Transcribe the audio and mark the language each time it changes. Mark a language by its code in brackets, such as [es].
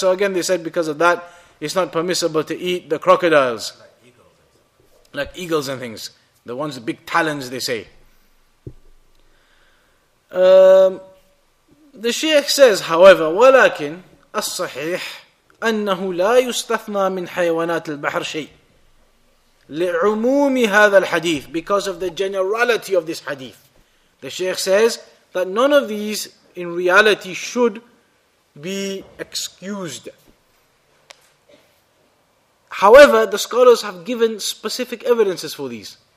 [en] So again, they said because of that, it's not permissible to eat the crocodiles. Like eagles and things. The ones with big talons, they say. The Shaykh says, however, [ar] ولكن الصحيح أنه لا يستثنى من حيوانات البحر شيء لعموم هذا الحديث. [en] Because of the generality of this hadith. The Shaykh says that none of these in reality should be excused. However, the scholars have given specific evidences for these.